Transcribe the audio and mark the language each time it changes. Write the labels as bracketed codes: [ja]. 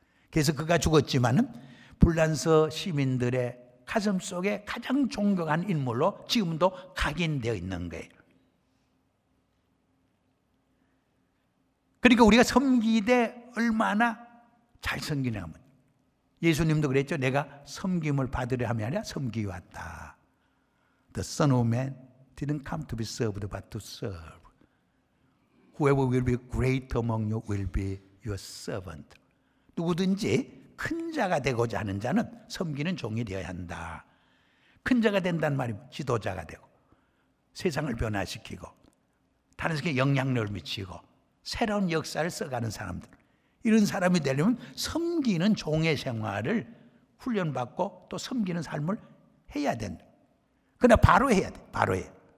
[ko] 그래서 그가 죽었지만은 불란서 시민들의 가슴 속에 가장 존경한 인물로 지금도 각인되어 있는 거예요. 그러니까 우리가 섬기되 얼마나 잘 섬기냐 하면 예수님도 그랬죠. 내가 섬김을 받으려 함이 아니라 섬기어 왔다. [en] The Son of Man didn't come to be served but to serve. Whoever will be great among you will be your servant. [ko] 누구든지 큰 자가 되고자 하는 자는 섬기는 종이 되어야 한다. 큰 자가 된다는 말이 지도자가 되고 세상을 변화시키고 다른 사람에게 영향력을 미치고 새로운 역사를 써가는 사람들, 이런 사람이 되려면 섬기는 종의 생활을 훈련받고 또 섬기는 삶을 해야 된다. 그러나 바로 해야 돼. 바로 해.